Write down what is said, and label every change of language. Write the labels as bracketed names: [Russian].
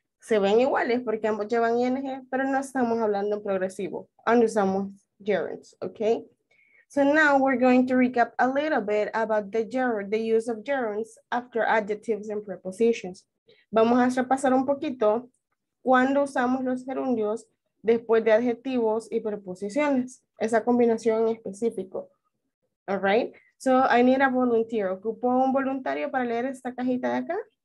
[Spanish] Se ven iguales porque ambos llevan ing, pero no estamos hablando en progresivo. [English] And [Spanish] usamos [English] gerunds, okay? So now we're going to recap a little bit about the use of gerunds after adjectives and prepositions. [Spanish] Vamos a repasar un poquito cuando usamos los gerundios después de adjetivos y preposiciones, esa combinación en específico. [English] All right? So I need a volunteer. [Spanish] ¿Ocupo un voluntario para leer esta cajita de acá?